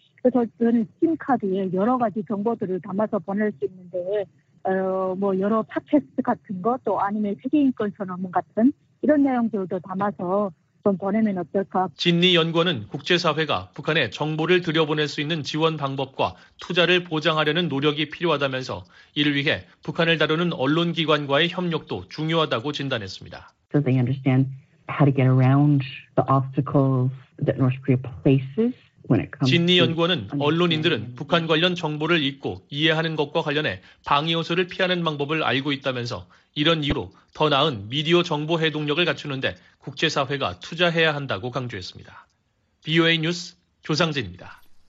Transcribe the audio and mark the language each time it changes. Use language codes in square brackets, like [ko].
[ko] 그래서 저는 심카드에 여러 가지 정보들을 담아서 보낼 수 있는데 여러 팟캐스트 같은 것 또 아니면 세계인권 선언문 같은 이런 내용들도 담아서 좀 보내면 어떨까. 진리 연구원은 국제사회가 북한에 정보를 들여보낼 수 있는 지원 방법과 투자를 보장하려는 노력이 필요하다면서 이를 위해 북한을 다루는 언론기관과의 협력도 중요하다고 진단했습니다. [en] So they understand how to get around the obstacles that North Korea places. [ko] 진리 연구원은 언론인들은 북한 관련 정보를 읽고 이해하는 것과 관련해 방해 요소를 피하는 방법을 알고 있다면서 이런 이유로 더 나은 미디어 정보 해독력을 갖추는데 국제사회가 투자해야 한다고 강조했습니다. BOA 뉴스 조상진입니다.